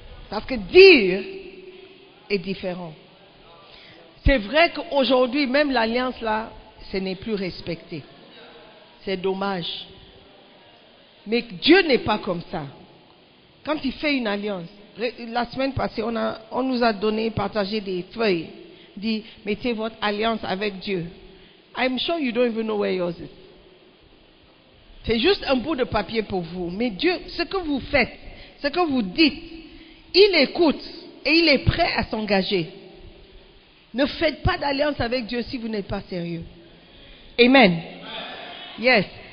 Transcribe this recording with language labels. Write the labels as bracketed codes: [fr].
[fr] Parce que dire est différent. C'est vrai qu'aujourd'hui, même l'alliance là, ce n'est plus respecté. C'est dommage. Mais Dieu n'est pas comme ça. Quand il fait une alliance, la semaine passée, on nous a partagé des feuilles. Dit, mettez votre alliance avec Dieu. [en] I'm sure you don't even know where yours is. [fr] C'est juste un bout de papier pour vous. Mais Dieu, ce que vous faites, ce que vous dites, il écoute et il est prêt à s'engager. Ne faites pas d'alliance avec Dieu si vous n'êtes pas sérieux. Amen. Yes.